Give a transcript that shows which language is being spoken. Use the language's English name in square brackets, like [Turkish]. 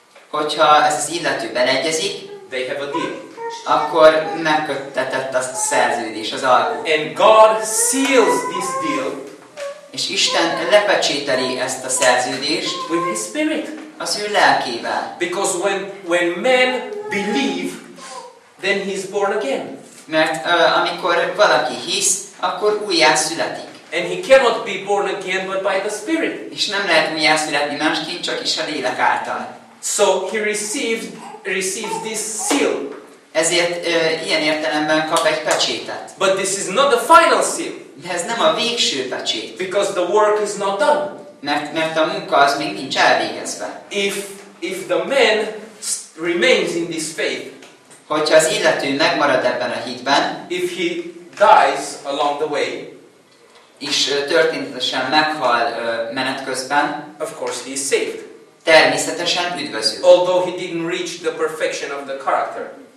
[Hungarian] hogyha ez az illető beleegyezik, [English] they have a deal. [Hungarian] Akkor megkötetett a szerződés, az alkú. [English] And God seals this deal. [Hungarian] És Isten lepecsételi ezt a szerződést. [English] With his spirit. [Hungarian] Az ő lelkével. [English] Because when men believe, then he is born again. [Hungarian] Mert amikor valaki hisz, akkor újjászületik. [English] And he cannot be born again but by the spirit. [Hungarian] És nem lehet újjászületni másként, csak is a lélek által. [English] So he receives this seal. [Hungarian] Ezért ilyen értelemben kap egy pecsétet. [English] But this is not the final seal. [Hungarian] De ez nem a végső pecsét. [English] Because the work is not done. [Hungarian] Mert a munka az még nincs elvégezve. [English] If the man remains in this faith, [Hungarian] hogyha az illető megmarad ebben a hitben, [English] if he dies along the way, [Hungarian] is történetesen meghal menet közben. [English] Of course he is saved. [Hungarian] Természetesen üdvözül. [English] Although he didn't reach the perfection of the character.